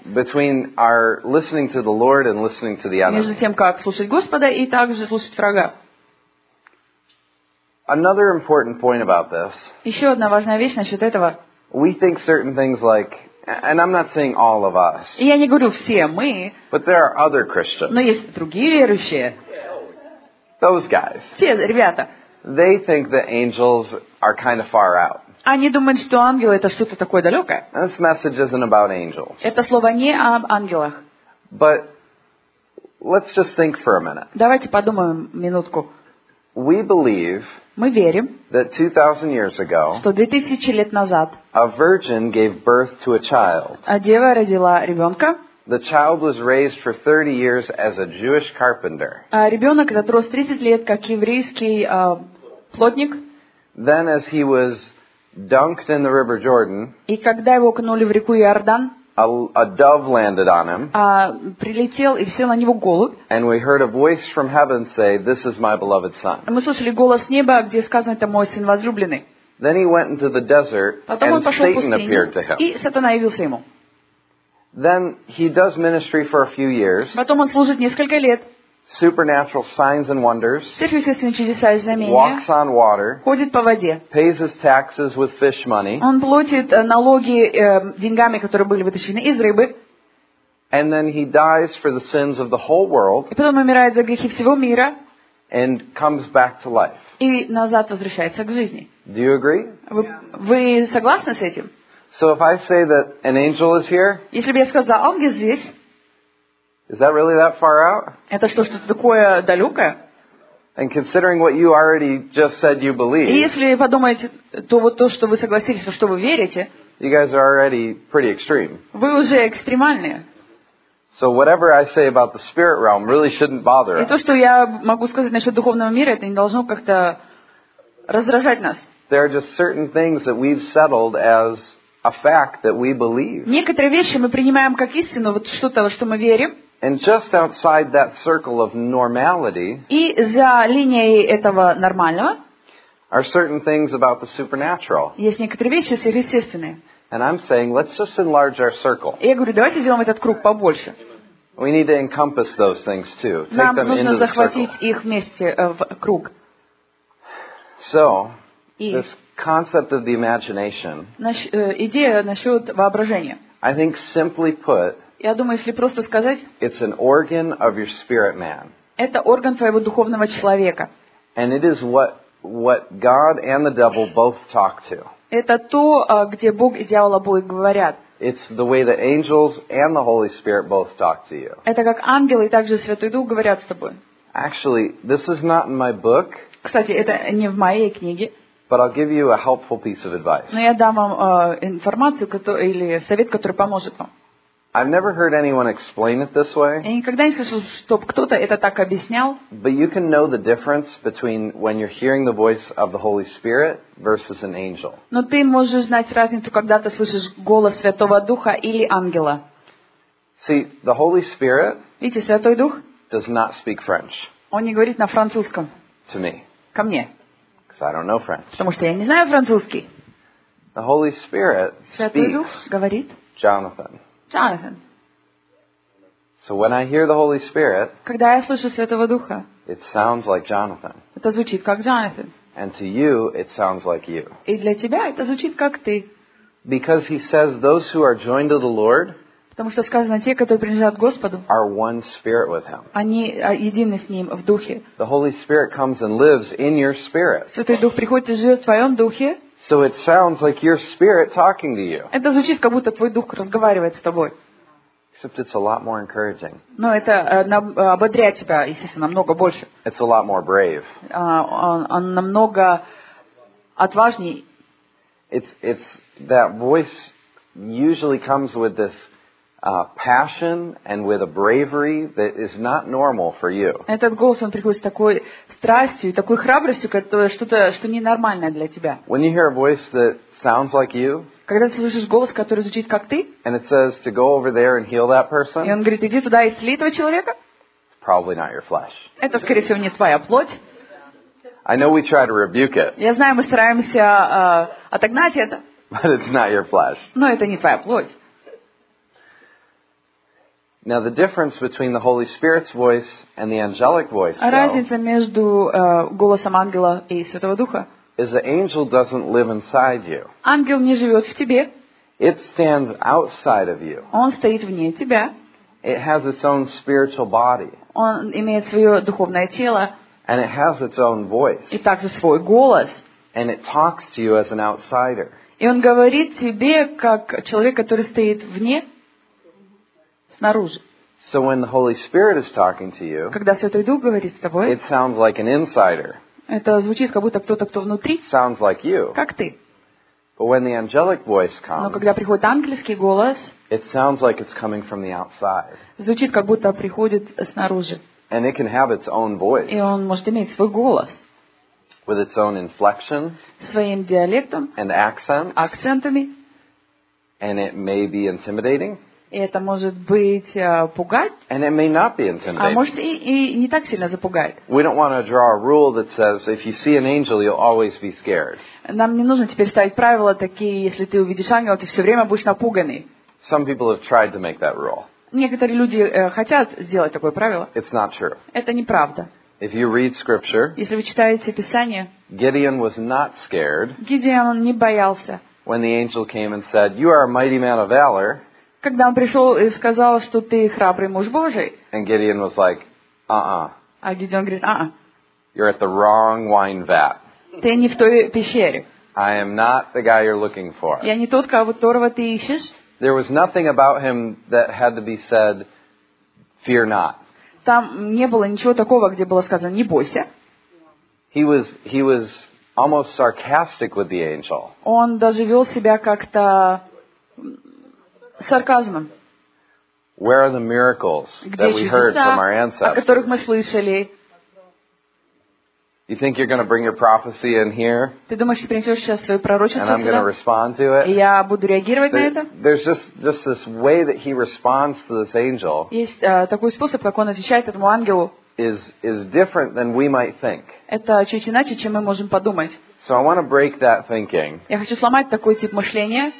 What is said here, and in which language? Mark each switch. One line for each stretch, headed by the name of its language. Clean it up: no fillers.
English: Between our listening to the Lord and listening to the enemy.
Russian: Между тем, как слушать Господа и также слушать врага.
English: Another important point about this.
Russian: Еще одна важная вещь насчет этого.
English: We think certain things like, and I'm not saying all of us.
Russian: И я не говорю все мы.
English: But there are other Christians.
Russian: Но есть другие верующие.
English: Those guys.
Russian: Те ребята.
English: They think that angels are kind of far out.
Russian: Они думают, что ангелы это что-то такое далекое.
English: This message isn't about angels.
Russian: Это слово не об ангелах.
English: But let's just think for a minute.
Russian: Давайте подумаем минутку.
English: We believe.
Russian: Мы верим.
English: That 2,000 years ago.
Russian: Что 2,000 лет назад.
English: A virgin gave birth to a child.
Russian: А дева родила ребенка.
English: The child was raised for 30 years as a Jewish carpenter.
Russian: А ребенок этот рос 30 лет как еврейский плотник.
English: Then as he was dunked in the River Jordan.
Russian: И когда его окунули в реку Иордан,
English: a dove landed on him.
Russian: Прилетел и сел на него голубь.
English: And we heard a voice from heaven say, "This is my beloved son."
Russian: Мы слышали голос с неба, где сказано, это мой сын возлюбленный.
English: Then he went into the desert,
Russian: потом
English: and Satan appeared to him.
Russian: И сатана явился ему.
English: Then he does ministry for a few years.
Russian: Потом он служит несколько лет.
English: Supernatural signs and wonders.
Russian: Сверхъестественные чудеса и знамения.
English: Walks on water.
Russian: Ходит по воде.
English: Pays his taxes with fish money.
Russian: Он платит налоги деньгами, которые были вытащены из рыбы.
English: And then he dies for the sins of the whole world.
Russian: И потом умирает за грехи всего мира.
English: And comes back to life.
Russian: И назад возвращается к жизни.
English: Do you agree?
Russian: Вы согласны с этим?
English: So if I say that an angel is here?
Russian: Если бы я сказал, ангел здесь.
English: Is that really that far out?
Russian: Это что-то такое далекое?
English: And considering what you already just said you believe.
Russian: И если подумаете, то вот то, что вы согласились, во что вы верите.
English: You guys are already pretty extreme.
Russian: Вы уже экстремальные.
English: So whatever I say about the spirit realm really shouldn't bother us.
Russian: И то, что я могу сказать насчет духовного мира, это не должно как-то раздражать нас.
English: There are just certain things that we've settled as a fact that we believe.
Russian: Некоторые вещи мы принимаем как истину, вот что-то, во что мы верим.
English: And just outside that circle of normality.
Russian: И за линией этого нормального.
English: Are certain things about the supernatural.
Russian: Есть некоторые вещи сверхъестественные.
English: And I'm saying, let's just enlarge our circle.
Russian: Я говорю, давайте сделаем этот круг побольше.
English: We need to encompass those things too. Take
Russian: Нам
English: them
Russian: нужно
English: into
Russian: захватить
English: the circle.
Russian: Их вместе в круг.
English: So, this concept of the imagination.
Russian: Идея насчет воображения.
English: I think, simply put.
Russian: Я думаю, если просто сказать.
English: It's an organ of your spirit man.
Russian: Это орган твоего духовного человека.
English: And it is what God and the devil both talk to.
Russian: Это то, где Бог и дьявол обои говорят.
English: It's the way the angels and the Holy Spirit both talk to you.
Russian: Это как ангелы и также Святой Дух говорят с тобой.
English: Actually, this is not in my book.
Russian: Кстати, это не в моей книге.
English: But I'll give you a helpful piece of advice.
Russian: Но я дам вам информацию, или совет, который поможет вам.
English: I've never heard anyone explain it this way.
Russian: Я никогда не слышал, чтобы кто-то это так объяснял.
English: But you can know the difference between when you're hearing the voice of the Holy Spirit versus an angel.
Russian: Но ты можешь знать разницу, когда ты слышишь голос Святого Духа или ангела.
English: See, the Holy Spirit.
Russian: Видите, Святой Дух.
English: Does not speak French.
Russian: Он не говорит на французском.
English: To me.
Russian: Ко мне.
English: Because I don't know French.
Russian: Потому что я не знаю французский.
English: The Holy Spirit.
Russian: Святой Дух говорит.
English: Jonathan.
Russian: Jonathan.
English: So when I hear the Holy Spirit,
Russian: когда я слышу Святого Духа,
English: it sounds like Jonathan.
Russian: Это звучит как Jonathan.
English: And to you, it sounds like you.
Russian: И для тебя это звучит как ты.
English: Because he says those who are joined to the Lord,
Russian: потому что сказано те, которые принадлежат Господу,
English: are one spirit with him.
Russian: Они едины с ним в духе.
English: The Holy Spirit comes and lives in your spirit.
Russian: Святой Дух приходит и живет в твоем духе.
English: So it sounds like your spirit talking to you.
Russian: Это звучит, как будто твой дух разговаривает с тобой.
English: Except it's a lot more encouraging.
Russian: Но это ободряет тебя, естественно, намного больше.
English: It's a lot more brave.
Russian: Он намного отважней.
English: It's that voice usually comes with this passion and with a bravery that is not normal for you.
Russian: Этот голос, он приходит с такой страстью и такой храбростью, которая что-то, что ненормальное для тебя.
English: When you hear a voice that sounds like you,
Russian: когда ты слышишь голос, который звучит как ты,
English: and it says to go over there and heal that person,
Russian: и он говорит, иди туда и исцели этого человека,
English: it's probably not your flesh.
Russian: Это, скорее всего, не твоя плоть.
English: I know we try to rebuke it.
Russian: Я знаю, мы стараемся отогнать это.
English: But it's not your flesh.
Russian: Но это не твоя плоть.
English: Now the difference between the Holy Spirit's voice and the angelic voice.
Russian: Разница между голосом ангела и Святого Духа.
English: Is the angel doesn't live inside you.
Russian: Ангел не живет в тебе.
English: It stands outside of you.
Russian: Он стоит вне тебя.
English: It has its own spiritual body.
Russian: Он имеет свое духовное тело.
English: And it has its own voice.
Russian: И также свой голос.
English: And it talks to you as an outsider.
Russian: И он говорит тебе как человек, который стоит вне.
English: So when the Holy Spirit is talking to you,
Russian: когда Святой Дух говорит с тобой,
English: it sounds like an insider.
Russian: Это звучит как будто кто-то, кто внутри.
English: Sounds like you.
Russian: Как ты.
English: But when the angelic voice comes,
Russian: но когда приходит ангельский голос,
English: it sounds like it's coming from the outside.
Russian: Звучит как будто приходит снаружи.
English: And it can have its own voice.
Russian: И он может иметь свой голос.
English: With its own inflection.
Russian: Своим диалектом.
English: And accent.
Russian: Акцентами.
English: And it may be intimidating.
Russian: И это может быть пугать.
English: And it may not be intimidating.
Russian: А может и не так сильно запугать.
English: We don't want to draw a rule that says if you see an angel, you'll always be scared.
Russian: Нам не нужно теперь ставить правила такие, если ты увидишь ангела, ты все время будешь напуганный.
English: Some people have tried to make that rule.
Russian: Некоторые люди хотят сделать такое правило.
English: It's not true.
Russian: Это неправда.
English: If you read scripture,
Russian: если вы читаете Писание,
English: Gideon was not scared.
Russian: Гидеон не боялся.
English: When the angel came and said, "You are a mighty man of valor."
Russian: когда он пришел и сказал, что ты храбрый муж Божий.
English: And Gideon was like,
Russian: А Гедеон говорит,
English: You're at the wrong wine vat.
Russian: Ты не в той пещере.
English: I am not the guy you're looking for.
Russian: Я не тот, которого ты ищешь.
English: There was nothing about him that had to be said, fear not.
Russian: Там не было ничего такого, где было сказано, не бойся.
English: He was almost sarcastic with the angel.
Russian: Он даже вел себя как-то сарказмом.
English: Where are the miracles that we heard from our ancestors?
Russian: О которых мы слышали?
English: You think you're going to bring your prophecy in here?
Russian: Ты думаешь, ты принесешь сейчас свое пророчество сюда?
English: And I'm going to respond to it?
Russian: Я буду реагировать на это?
English: There's just this way that he responds to this angel.
Russian: Есть такой способ, как он отвечает этому ангелу.
English: Is different than we might think.
Russian: Это чуть иначе, чем мы можем подумать.
English: So I want to break that thinking.
Russian: Я хочу сломать такой тип мышления.